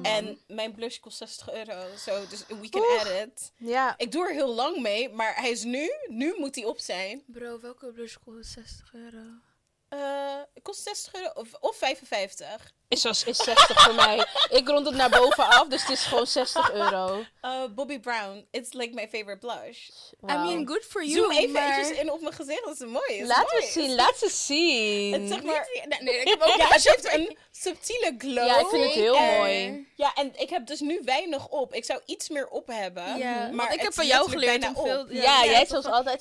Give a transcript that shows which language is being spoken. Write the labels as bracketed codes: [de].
[nl] en mijn blush kost €60. So, dus [en] we can add it. [nl] Ja. Ik doe er heel lang mee, maar hij is nu. Nu moet hij op zijn. Bro, welke blush kost €60? Het kost €60 of 55. Is 60 voor mij. Ik rond het naar boven af, dus het is gewoon €60. [en] Bobbi Brown, it's like my favorite blush. Wow. I mean, good for you. [nl] Zoom even maar... eventjes in op mijn gezicht, dat is mooi. Laten we zien, laten we zien. Het zeg maar... Het heeft een subtiele glow. Ja, ik vind het heel mooi. Ja, en ik heb dus nu weinig op. Ik zou iets meer op hebben. Ja. Maar ik heb van jou geleerd bijna hoeveel... Op. Ja, ja, jij zoals altijd...